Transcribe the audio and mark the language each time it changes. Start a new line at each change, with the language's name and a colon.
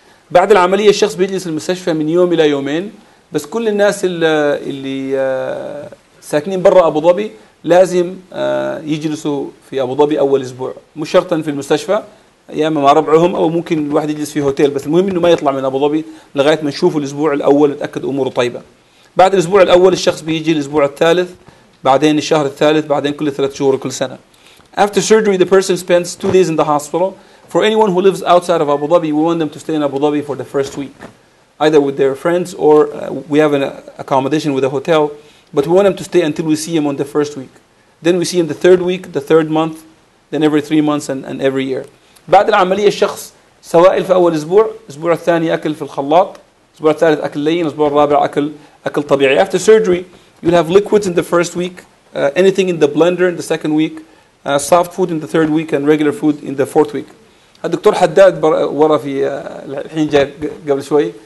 Arabic: بعد العملية الشخص بيجلس المستشفى من يوم إلى يومين بس كل الناس اللي ساكنين برا أبوظبي لازم يجلسوا في أبوظبي أول أسبوع مش شرطا في المستشفى يا أما مع ربعهم أو ممكن الواحد يجلس في هوتيل بس المهم إنه ما يطلع من أبوظبي لغاية ما نشوفه الأسبوع الأول نتأكد أموره طيبة بعد الأسبوع الأول الشخص بيجي الأسبوع الثالث بعدين الشهر الثالث بعدين كل ثلاث شهور كل سنة
English: After surgery the person spends 2 days in the hospital For anyone who lives outside of Abu Dhabi, we want them to stay in Abu Dhabi for the first week, either with their friends or we have an accommodation with a hotel, but we want them to stay until we see them on the first week. Then we see them the third week, the third month, then every 3 months and every year.
Arabic: بعد العملية الشخص سوائل في أول أسبوع, أسبوع الثاني أكل في الخلاط, أسبوع الثالث أكل لين, أسبوع الرابع أكل طبيعي.
English: After surgery, you'll have liquids in the first week, anything in the blender in the second week, soft food in the third week and regular food in the fourth week.
Arabic: الدكتور حداد ورا في الحين جاء قبل شوي.